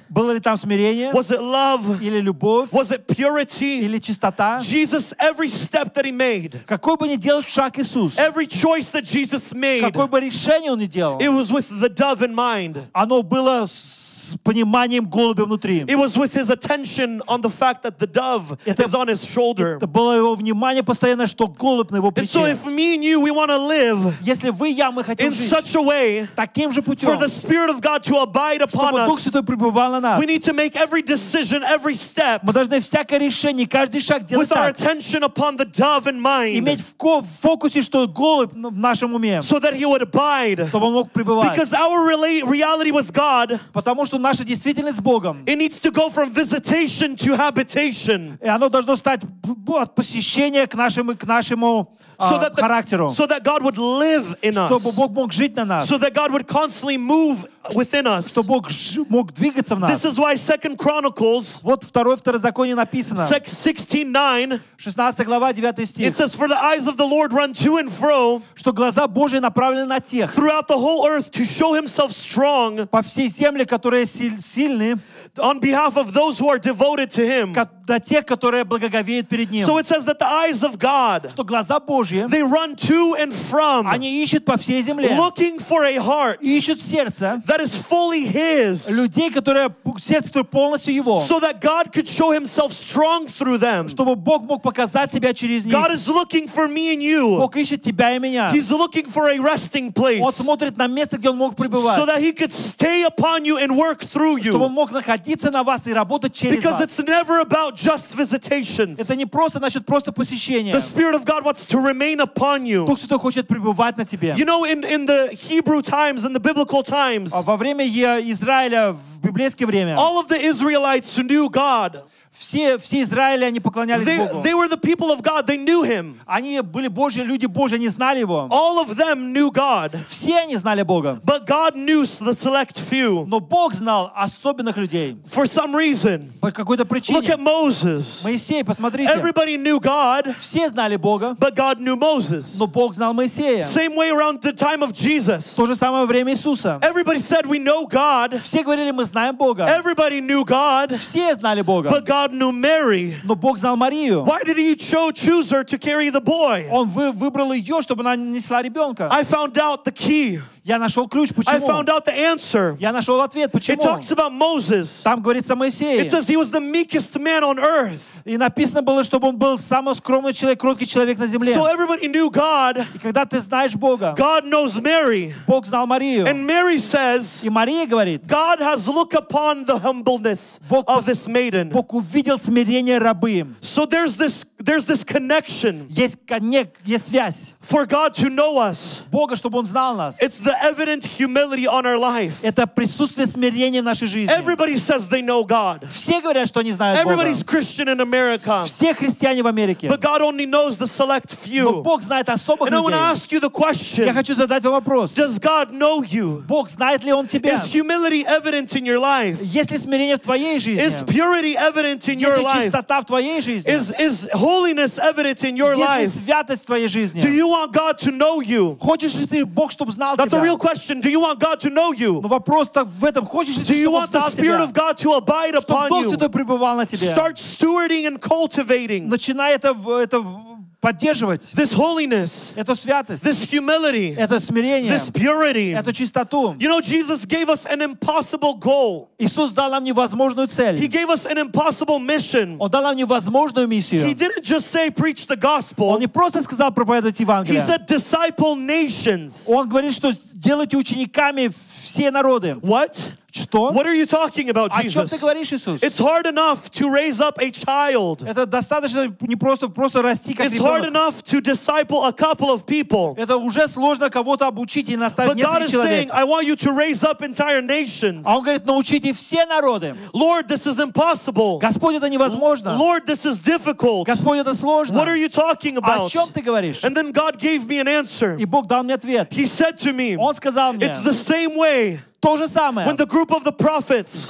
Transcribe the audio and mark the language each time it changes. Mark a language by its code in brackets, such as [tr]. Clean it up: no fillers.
[ru] Было ли там смирение? [en] Was it love? [ru] Или любовь? [en] Was it purity? [ru] Или чистота? [en] Jesus every step that he made. [ru] Какой бы ни делал шаг Иисус. [en] Every choice that Jesus made. [ru] Какое бы решение он ни делал. [en] It was with the dove in mind. [ru] Оно было с пониманием голубя внутри. [en] It was with his attention on the fact that the dove is on his shoulder. [ru] Это было его внимание постоянно, что голубь на его плече. [en] And so if me and you, we want to live. [ru] Если вы и я, мы хотим [en] in [ru] жить. [en] In such a way. [ru] Таким же путем. [en] For the Spirit of God to abide upon us. [ru] Чтобы Дух Святой пребывал на нас. [en] We need to make every decision, every step. [ru] Мы должны всякое решение, каждый шаг делать. [en] With our attention upon the dove in mind. [ru] Иметь в фокусе, что голубь в нашем уме. [en] So that he would abide. [ru] Чтобы он мог пребывать. [en] Because our reality with God. [ru] Потому что наша действительность с Богом. [en] It needs to go from visitation to habitation. [ru] И оно должно стать от посещения к нашему характеру. [en] So that God would live in us. [ru] Чтобы Бог мог жить на нас. [en] So that God would constantly move within us. [ru] Чтобы Бог мог двигаться в нас. [en] This is why 2 Chronicles. [ru] Вот второе второзаконие написано. [en] 16:9. [ru] 16 глава 9 стих. [en] It says, "For the eyes of the Lord run to and fro." [ru] Что глаза Божьи направлены на тех. [en] Throughout the whole earth to show Himself strong. [ru] По всей земле, которые сильны. [en] On behalf of those who are devoted to Him. [ru] До тех, которые благоговеют перед Ним. [en] So it says that the eyes of God. [ru] Что глаза Божьи. [en] They run to and from. [ru] Они ищут по всей земле. [en] Looking for a heart. [ru] Ищут сердце. [en] That is fully His. [ru] Людей, которые сердце полностью Его. [en] So that God could show Himself strong through them. [ru] Чтобы Бог мог показать себя через них. [en] God is looking for me and you. [ru] Бог ищет тебя и меня. [en] He's looking for a resting place. [ru] Он смотрит на место, где он мог пребывать. [en] So that He could stay upon you and work through you. [ru] Чтобы он мог находиться на вас и работать через вас. [en] Because it's never about just visitations. [ru] Это не просто насчет просто посещения. [en] The Spirit of God wants to remain upon you. [ru] Дух Святой хочет пребывать на тебе. [en] You know, in the Hebrew times, in the biblical times. [ru] Во время Израиля в библейское время. [en] All of the Israelites knew God. [ru] Все Израиля, они поклонялись [en] they, [ru] Богу. [en] They were the people of God. They knew him. [ru] Они были Божьи, люди Божьи, они знали его. [en] All of them knew God. [ru] Все они знали Бога. [en] But God knew the select few. [ru] Но Бог знал особенных людей. [en] For some reason. [ru] По какой-то причине. [en] Look at Moses. [ru] Моисей, посмотрите. [en] Everybody knew God. [ru] Все знали Бога. [en] But God knew Moses. [ru] Но Бог знал Моисея. [en] Same way around the time of Jesus. [ru] То же самое время Иисуса. [en] Everybody said we know God. [ru] Все говорили, мы знаем Бога. [en] Everybody knew God. [ru] Все знали Бога. [en] But God knew Mary. [ru] Но Бог знал Марию. [en] Why did he choose her to carry the boy? [ru] Он выбрал ее, чтобы она несла ребенка. [en] I found out the key. [ru] Я нашел ключ, почему? [en] I found out the answer. [ru] Я нашел ответ, почему? [en] It talks about Moses. [ru] Там говорится о Моисее. [en] It says he was the meekest man on earth. [ru] И написано было, чтобы он был самый скромный человек, кроткий человек на земле. [en] So everybody knew God. [ru] И когда ты знаешь Бога, [en] God knows Mary. [ru] Бог знал Марию. [en] And Mary says, [ru] и Мария говорит, [en] God has looked upon the humbleness of this maiden. [ru] Бог увидел смирение рабы. [en] So there's this connection. [ru] Есть связь. [en] For God to know us. [ru] Бога, чтобы он знал нас. [en] It's the evident humility on our life. [ru] Это присутствие смирения в нашей жизни. [en] Everybody says they know God. [ru] Все говорят, что они знают [en] Everybody's [ru] Бога. [en] Christian in America. [ru] Все христиане в Америке. [en] But God only knows the select few. [ru] Но Бог знает особых [en] And [ru] людей. [en] And I want to ask you the question. [ru] Я хочу задать вам вопрос. [en] Does God know you? [ru] Бог знает ли он тебя? [en] Is humility evident in your life? [ru] Есть ли смирение в твоей жизни? [en] Is purity evident in your life? [ru] Есть ли чистота в твоей жизни? [en] Is holiness evident in your life? [ru] Есть ли святость в твоей жизни? [en] Do you want God to know you? [ru] Хочешь ли ты Бог, чтобы знал тебя? [en] That's a real question. Do you want God to know you? [ru] Но вопрос так в этом. Хочешь ли ты, [en] Do you want the Spirit [ru] тебя? [en] Of God to abide [ru] чтобы [en] upon you? [ru] Чтобы Дух Святой пребывал на тебе. [en] Start stewarding and cultivating. [ru] Начинай это поддерживать. [en] This holiness. [ru] Это святость. [en] This humility. [ru] Это смирение. [en] This purity. [ru] Это чистоту. [en] You know, Jesus gave us an impossible goal. [ru] Иисус дал нам невозможную цель. [en] He gave us an impossible mission. [ru] Он дал нам невозможную миссию. [en] He didn't just say preach the gospel. [ru] Он не просто сказал проповедовать Евангелие. [en] He said disciple nations. [ru] Он говорит, что делайте учениками все народы. [en] What? [ru] Что? [en] What are you talking about, Jesus? [ru] О чем ты говоришь, Иисус? [en] It's hard enough to raise up a child. [ru] Это достаточно не просто расти как ребенок. [en] It's hard enough to disciple a couple of people. [ru] Это уже сложно кого-то обучить и наставить несколько человек. [en] But God is saying, I want you to raise up entire nations. [ru] А он говорит, научите все народы. [en] Lord, this is impossible. [ru] Господь, это невозможно. [en] Lord, this is difficult. [ru] Господь, это сложно. [en] What are you talking about? [ru] О чем ты говоришь? [en] And then God gave me an answer. [ru] И Бог дал мне ответ. [en] He said to me, [ru] он сказал мне, [en] it's the same way. [ru] То же самое. [en] When the group of the prophets,